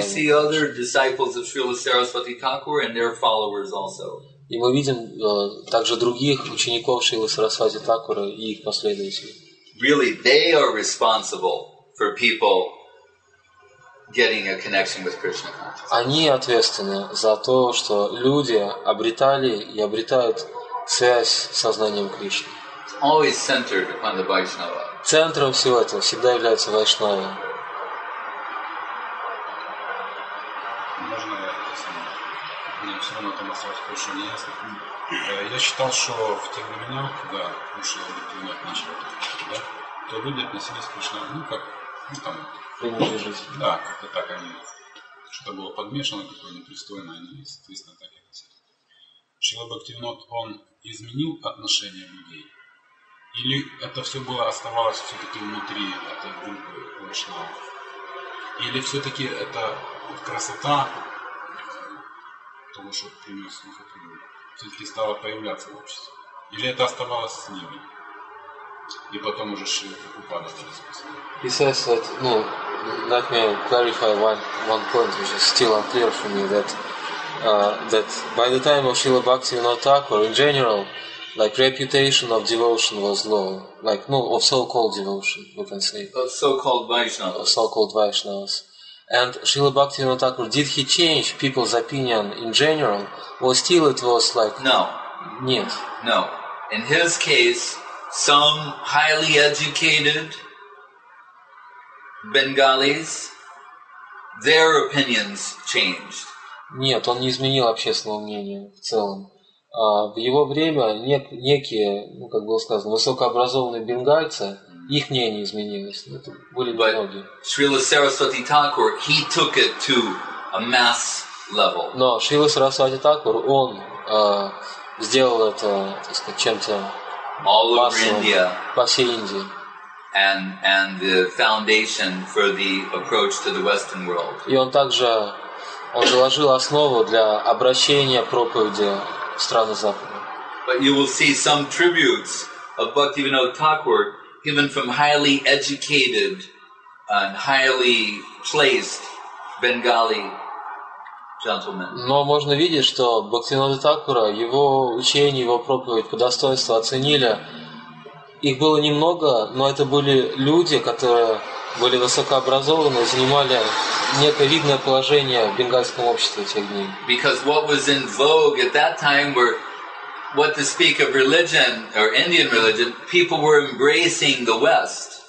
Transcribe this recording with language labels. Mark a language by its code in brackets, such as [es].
[en] And we see other disciples of Srila Sarasvati Thakur and their followers also. [ru] И мы видим также других учеников Шрилы Сарасвати Такура и их последователей. [en] Really, they are responsible for people getting a connection with Krishna consciousness. [ru] Они ответственны за то, что люди обретали и обретают связь с сознанием Кришны. [en] It's always centered upon the Vaishnava. [ru] Центром всего этого всегда является Вайшнава. Можно я просто... Мне все равно там осталось больше не ясно. Я считал, что в те времена, когда уши обретают начали, да, то люди относились к Кришне, ну, как, ну, там, да, как-то так они, что-то было подмешано, какое-то непристойное, они, соответственно, так и хотели. Шрила Бхактивинод, он изменил отношение людей? Или это все было, оставалось все-таки внутри этой группы вайшнавов? Или все-таки это красота того, что принес Махапрабху, все-таки стала появляться в обществе? Или это оставалось с ними? И потом уже Шрила Прабхупада стали спасать? [en] Ну, let me clarify one point, which is still unclear for me, that that by the time of Srila Bhaktivinoda Thakur, in general, like reputation of devotion was low, like no, of so-called devotion, we can say. Of so-called Vaishnavas. Of so-called Vaishnavas. And Srila Bhaktivinoda Thakur, did he change people's opinion in general, or still it was like... No. [ru] Нет. [en] No. In his case, some highly educated Bengalis, their opinions changed. [ru] Нет, он не изменил общественного мнения в целом. В его время некие, ну, как было сказано, высокообразованные бенгальцы, их мнение изменилось. Это были многие. [en] But Srila Sarasvati Thakur, he took it to a mass level. [ru] Но Srila Sarasvati Thakur, он сделал это, так сказать, чем-то [en] all over India. [ru] По всей Индии. [en] And the foundation for the approach to the Western world. [ru] И он также он заложил основу для обращения проповеди в страны Запада. [en] But you will see some tributes of Bhaktivinoda Thakur given from highly educated and highly placed Bengali gentlemen. [ru] Но можно видеть, что Бхактивинода Такура его учение, его проповедь по достоинству оценили. Их было немного, но это были люди, которые были высокообразованы и занимали некое видное положение в бенгальском обществе тех дней. [en] Because what was in vogue at that time were what to speak of religion or Indian religion, people were embracing the West.